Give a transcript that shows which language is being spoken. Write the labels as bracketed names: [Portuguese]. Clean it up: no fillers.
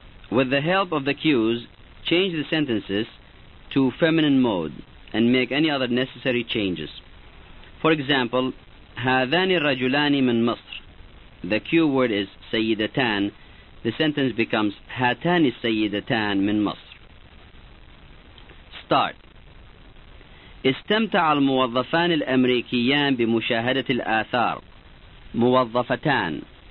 [English] With the help of the cues, change the sentences to feminine mode and make any other necessary changes. For example, [Arabic] هذان الرجلان من مصر. [English] The cue word is سيدتان. The sentence becomes [Arabic] هاتان السيدتان من مصر. [English] Start. [Arabic] استمتع الموظفان الأمريكيان بمشاهدة الآثار. موظفتان.